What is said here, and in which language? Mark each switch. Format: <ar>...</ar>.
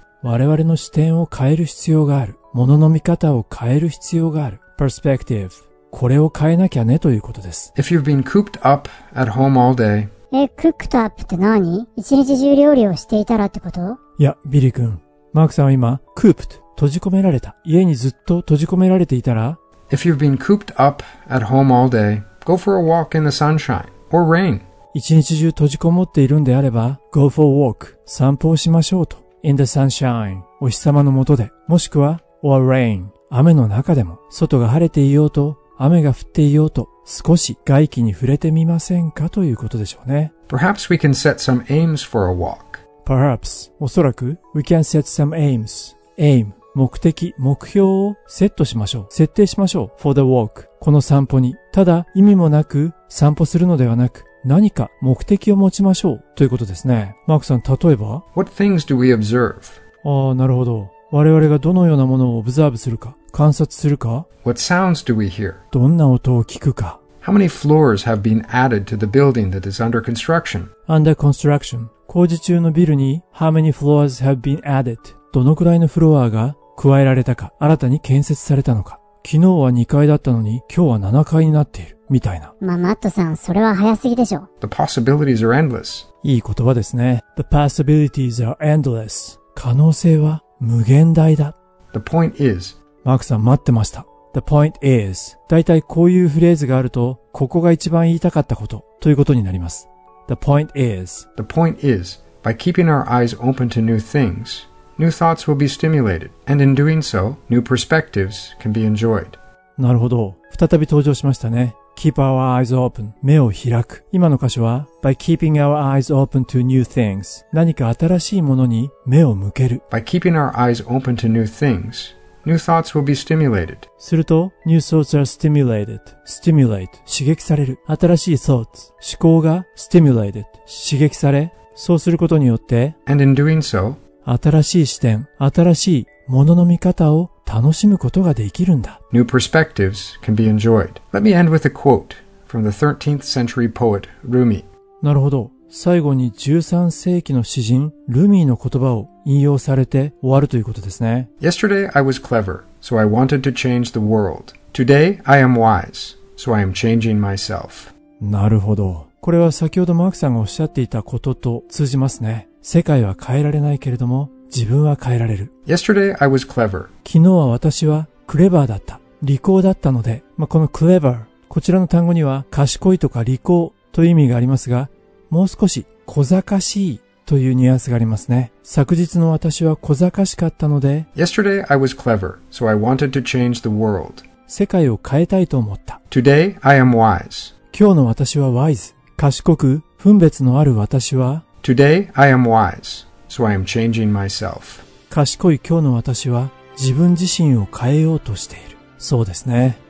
<ja>我々の視点を変える必要がある。物の見方を変える必要がある。</ja> <en>Perspective.</en> <ja>これを変えなきゃねということです。</ja> <en>If you've been cooped up at home all day.</en> <ja>え、</ja> <en>cooked up</en> <ja>って何？一日中料理をしていたらってこと？いや、ビリー君。マークさんは今、cooped、閉じ込められた。家にずっと閉じ込められていたら。</ja> <en>If you've been cooped up at home all day, go for a walk in the sunshine or rain.</en> <ja>一日中閉じこもっているんであれば、</ja> <en>go for a walk、</en> <ja>散歩をしましょうと。</ja> <en>In the sunshine、</en> <ja>お日様の下で。もしくは、</ja> <en>or rain、</en> <ja>雨の中でも。外が晴れていようと、雨が降っていようと少し外気に触れてみませんかということでしょうね。</ja> <en>Perhaps we can set some aims for a walk. Perhaps, おそらく we can set some aims.</en> <ja>Aim, 目的、目標をセットしましょう。設定しましょう。</ja> <en>For the walk,</en> <ja>この散歩に。ただ意味もなく散歩するのではなく何か目的を持ちましょうということですね。マークさん、例えば</ja> <en>What things do we observe?</en> <ja>ああ、なるほど。我々がどのようなものをオブザーブするか、観察するか。</ja> <en>What sounds do we hear?</en> <ja>どんな音を聞くか。</ja> <en>How many floors have been added to the building that is under construction? Under construction.</en> <ja>工事中のビルに</ja> <en>How many floors have been added?</en> <ja>どのくらいのフロアが加えられたか、新たに建設されたのか。昨日は2階だったのに今日は7階になっている、みたいな。まあ、マットさん、それは早すぎでしょ。</ja> <en>The possibilities are endless.</en> <ja>いい言葉ですね。</ja> <en>The possibilities are endless.</en> <ja>可能性は無限大だ。</ja> <en>The point is.</en> <ja>マークさん待ってました。</ja> <en>The point is.</en> <ja>だいたいこういうフレーズがあると、ここが一番言いたかったことということになります。</ja> <en>The point is. The point is, by keeping our eyes open to new things, new thoughts will be stimulated. And in doing so, new perspectives can be enjoyed.</en> <ja>なるほど。再び登場しましたね。</ja> <en>Keep our eyes open.</en> <ja>目を開く。今の箇所は、</ja> <en>By keeping our eyes open to new things.</en> <ja>何か新しいものに目を向ける。</ja> <en>By keeping our eyes open to new things, new thoughts will be stimulated.</en> <ja>すると、</ja> <en>new thoughts are stimulated.</en> <ja>Stimulate. 刺激される。新しい thoughts. 思考が stimulated. 刺激され。そうすることによって、</ja> <en>And in doing so,</en> <ja>新しい視点、新しいものの見方を楽しむことができるんだ。</ja> <en>New perspectives can be enjoyed. Let me end with a quote from the 13th century poet Rumi.</en> <ja>なるほど。最後に13世紀の詩人、ルミーの言葉を引用されて終わるということですね。</ja> <en>Yesterday I was clever, so I wanted to change the world. Today I am wise, so I am changing myself.</en> <ja>なるほど。これは先ほどマークさんがおっしゃっていたことと通じますね。世界は変えられないけれども、自分は変えられる。</ja> <en>Yesterday, I was clever.</en> <ja>昨日は私はクレバーだった。利口だったので。まあ、この clever、こちらの単語には賢いとか利口という意味がありますが、もう少し小賢しいというニュアンスがありますね。昨日の私は小賢しかったので、</ja> <en>Yesterday, I was clever, so I wanted to change the world.</en> <ja>世界を変えたいと思った。</ja> <en>Today, I am wise.</en> <ja>今日の私は wise。賢く、分別のある私は、</ja> <en>Today, I am wise. So I am changing myself.</en> <ja>賢い今日の私は自分自身を変えようとしている。そうですね。</ja>